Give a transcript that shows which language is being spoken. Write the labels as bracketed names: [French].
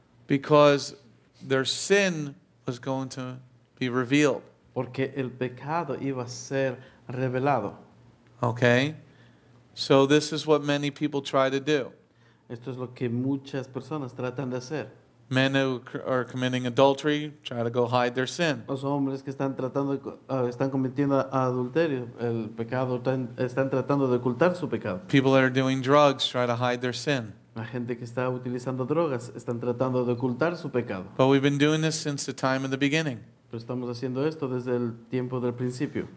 [English] Because their sin was going to be revealed. [Spanish] Porque el pecado iba a ser revelado. [English] Okay. So this is what many people try to do. [Spanish] Esto es lo que muchas personas tratan de hacer. [English] Men who are committing adultery try to go hide their sin. [Spanish] Los hombres que están tratando, están cometiendo adulterio, el pecado, están tratando de ocultar su pecado. [English] People that are doing drugs try to hide their sin. [Spanish] La gente que está utilizando drogas están tratando de ocultar su pecado. [English] But we've been doing this since the time of the beginning. [Spanish] Pero estamos haciendo esto desde el tiempo del principio.